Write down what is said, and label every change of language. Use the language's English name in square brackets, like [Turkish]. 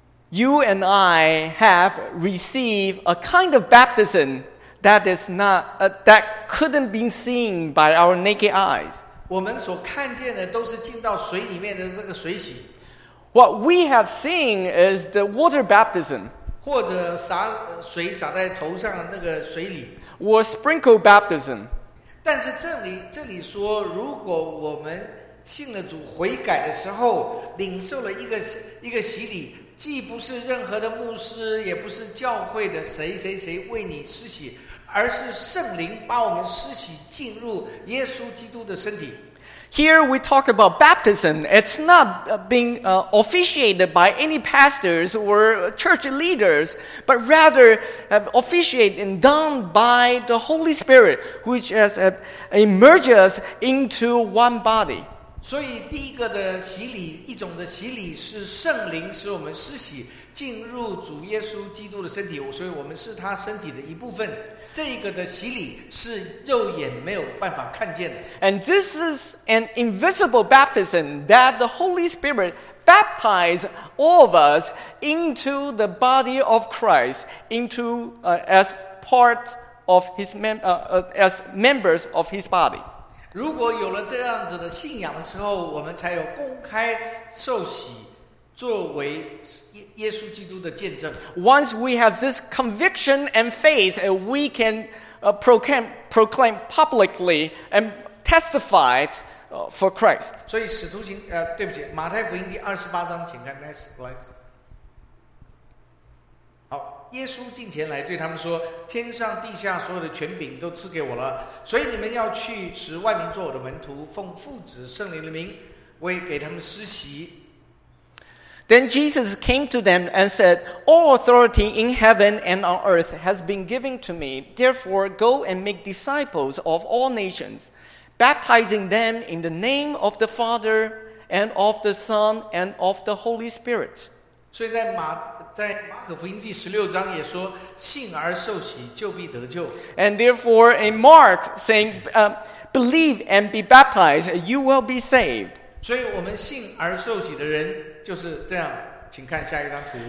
[English] You and I have received a kind of baptism that is not that couldn't be seen by our naked eyes. [Chinese] 我们所看见的都是进到水里面的这个水洗。 [English] What we have seen is the water baptism. [Chinese] 或者洒水洒在头上的那个水里。 [English] Or sprinkle baptism. [Chinese] 但是这里说，如果我们信了主悔改的时候，领受了一个洗礼，既不是任何的牧师，也不是教会的谁谁谁为你施洗，而是圣灵把我们施洗进入耶稣基督的身体。 [English] Here we talk about baptism. It's not being officiated by any pastors or church leaders, but rather officiated and done by the Holy Spirit, which has emerged us into one body. [Chinese] 所以第一个的洗礼，一种的洗礼是圣灵使我们施洗进入主耶稣基督的身体，所以我们是他身体的一部分。这个的洗礼是肉眼没有办法看见的。 [English] And this is an invisible baptism that the Holy Spirit baptized all of us into the body of Christ, into as part of His as members of His body. [Chinese] 如果有了这样子的信仰的时候，我们才有公开受洗。作为耶稣基督的见证。 [English] Once we have this conviction and faith, we can proclaim publicly and testify for Christ. [Chinese] 所以使徒行对不起，马太福音第二十八章，请看 [English] next slide。 [Chinese] 好，耶稣近前来对他们说：“天上地下所有的权柄都赐给我了，所以你们要去使万民做我的门徒，奉父子圣灵的名为给他们施洗。” [English] Then Jesus came to them and said, All authority in heaven and on earth has been given to me. Therefore, go and make disciples of all nations, baptizing them in the name of the Father and of the Son and of the Holy Spirit. [Chinese] 所以在马可福音第十六章也说，信而受洗就必得救。 [English] And therefore, in Mark saying, believe and be baptized, you will be saved. [Chinese] 所以我们信而受洗的人就是这样，请看下一张图。